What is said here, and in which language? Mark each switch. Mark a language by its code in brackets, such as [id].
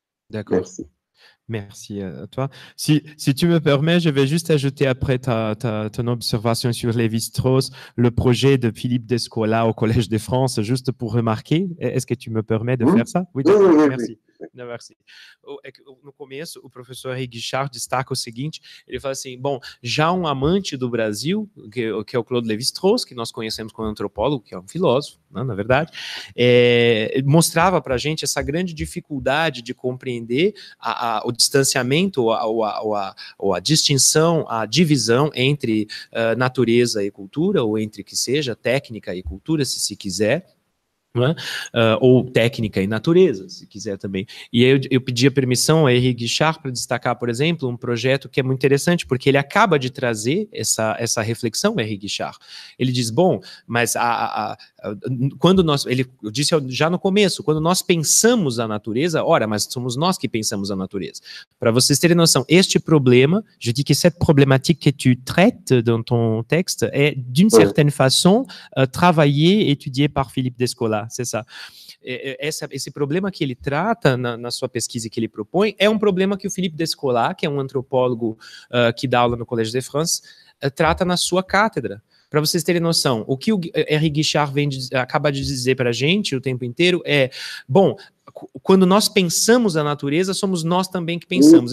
[fr] D'accord. Merci. Merci à toi. Si tu me permets, je vais juste ajouter après ton observation sur Lévi-Strauss, le projet de Philippe Descola au Collège de France, juste pour remarquer. Est-ce que tu me permets de faire ça? Oui, d'accord. Oui, merci. Não, merci. [pt] No começo, o professor Guichard destaca o seguinte, ele fala assim, bom, já um amante do Brasil, que é o Claude Lévi-Strauss, que nós conhecemos como antropólogo, que é um filósofo, né, na verdade, mostrava para a gente essa grande dificuldade de compreender o distanciamento, ou a distinção, a divisão entre natureza e cultura, ou entre que seja técnica e cultura, se quiser, não é? Ou técnica e natureza, se quiser também. E aí eu pedi a permissão a Henri Guichard para destacar, por exemplo, um projeto que é muito interessante, porque ele acaba de trazer essa reflexão, Henri Guichard. Ele diz, bom, mas quando nós... Ele, eu disse já no começo, quando nós pensamos a natureza, ora, mas somos nós que pensamos a natureza. Para vocês terem noção, este problema, [fr] je dis que cette problématique que tu traites dans ton texte é, d'une certaine façon, travailler, étudier par Philippe Descola. [pt] Lá, você sabe. Esse problema que ele trata na sua pesquisa que ele propõe é um problema que o Philippe Descola, que é um antropólogo que dá aula no Collège de France, trata na sua cátedra. Para vocês terem noção, o que o Henri Guichard acaba de dizer para a gente o tempo inteiro é, bom, quando nós pensamos a natureza, somos nós também que pensamos.